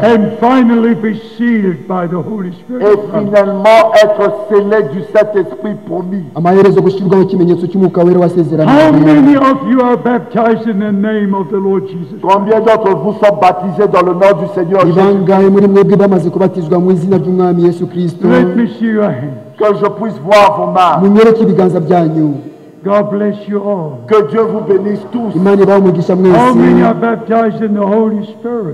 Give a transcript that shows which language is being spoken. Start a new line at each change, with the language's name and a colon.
English: And finally be sealed by the Holy Spirit.
French: Et finalement être scellé du Saint-Esprit promis.
Kinyarwanda: Amaherezo gushyirwaho ikimenyetso cy'umwuka wera wasezeranye.
English: How many of you are baptized in the name of the Lord Jesus?
French: Combien d'entre vous sont baptisés dans le nom du Seigneur Jésus?
Kinyarwanda: Bangaye muri mwebwe bamaze kubatizwa mu izina ry'Umwami Yesu Kristo.
English: Let me see your hands.
French: Que je puisse voir vos mains.
Kinyarwanda: Munyereke ibiganza byanyu.
English: God bless you all.
French: Que Dieu vous bénisse tous.
English: How many are baptized in the Holy Spirit?